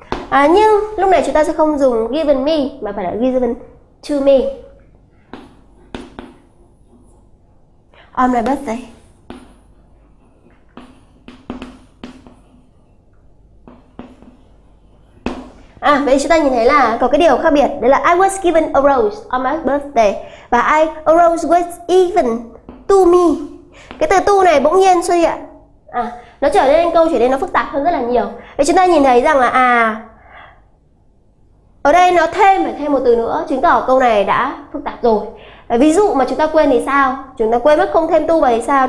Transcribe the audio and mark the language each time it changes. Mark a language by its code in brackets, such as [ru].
[vi] À, nhưng lúc này chúng ta sẽ không dùng given me mà phải là [en] given to me. On my birthday. [vi] À, vậy chúng ta nhìn thấy là có cái điều khác biệt. Đấy là [en] I was given a rose on my birthday. Và I, a rose was given to me. [vi] Cái từ to này bỗng nhiên xuất hiện. À, nó trở nên câu trở nên nó phức tạp hơn rất là nhiều. Vậy chúng ta nhìn thấy rằng là à, ở đây nó thêm phải thêm một từ nữa, chứng tỏ câu này đã phức tạp rồi. À, ví dụ mà chúng ta quên thì sao? Chúng ta quên mất không thêm to vào thì sao?